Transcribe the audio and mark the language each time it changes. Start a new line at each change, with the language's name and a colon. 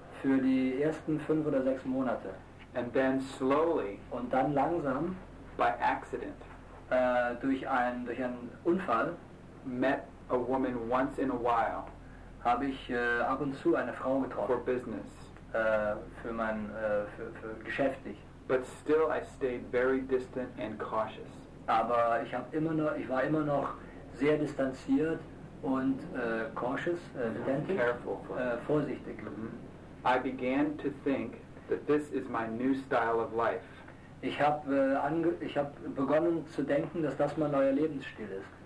German: Für die ersten 5 oder 6 Monate.
English: And then slowly.
German: Und dann langsam.
English: By accident.
German: Durch einen Unfall.
English: Met a woman once in a while.
German: Habe ich ab und zu eine Frau getroffen.
English: For business.
German: Für geschäftlich.
English: But still I stayed very distant and cautious.
German: Aber ich war immer noch sehr distanziert und
English: cautious, attentive, careful,
German: vorsichtig. Mm-hmm.
English: I began to think that this is my new style of life.
German: Ich hab begonnen zu denken, dass das mein neuer Lebensstil ist.